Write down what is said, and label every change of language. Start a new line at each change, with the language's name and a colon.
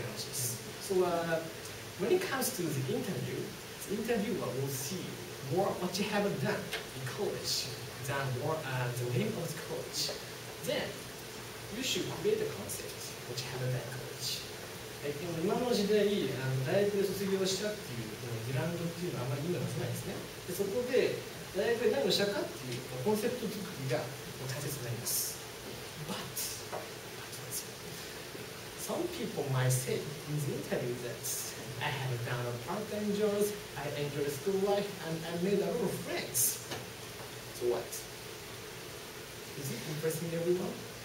English: So when it comes to the interviewer will see more what you have done in college than more the name of the college. Then, you should create a concept what you have done in college.
Japanese: 今の時代、大学で卒業したっていうこのグランドっていうのはあんまり意味がないですね。でそこで、大学で何をしたかっていうコンセプト作りが大切になります。
English: Some people might say in the interview that I have done a part-time job, I enjoyed school life, and I made a lot of friends. So what? Is it impressing everyone?